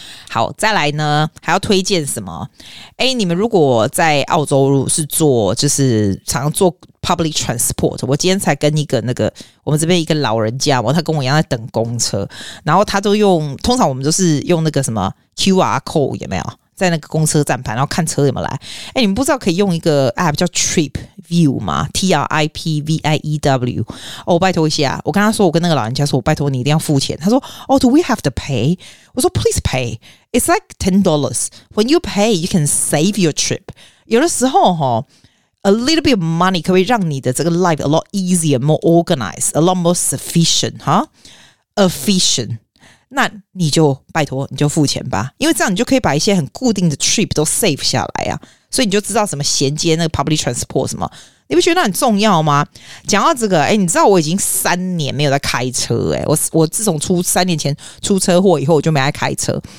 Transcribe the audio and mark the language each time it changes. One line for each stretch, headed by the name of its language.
Chinese: 好，再来呢还要推荐什么，诶，你们如果在澳洲是做，就是常常做 public transport， 我今天才跟一个那个我们这边一个老人家，他跟我一样在等公车，然后他都用，通常我们都是用那个什么 QR code 有没有，在那个公车站牌，然后看车有没有来。诶，你们不知道可以用一个 app 叫 Trip View 吗？ TRIPVIEW。哦，拜托一下，我跟他说，我跟那个老人家说，我拜托你一定要付钱。他说
English: Oh, do we have to pay?
Chinese: 我说
English: Please pay, it's like $10. When you pay, you can save your trip.
Chinese: 有的时候齁，
English: A little bit of money
Chinese: 可不可以让你的这个
English: life a lot easier, more organized, a lot more sufficient, huh? Efficient.
Chinese: 那你就拜托你就付钱吧，因为这样你就可以把一些很固定的 trip 都 save 下来啊，所以你就知道什么衔接那个 public transport 什么，你不觉得很重要吗？讲到这个，诶，你知道我已经三年没有在开车，诶，我自从出三年前出车祸以后，我就没爱开车。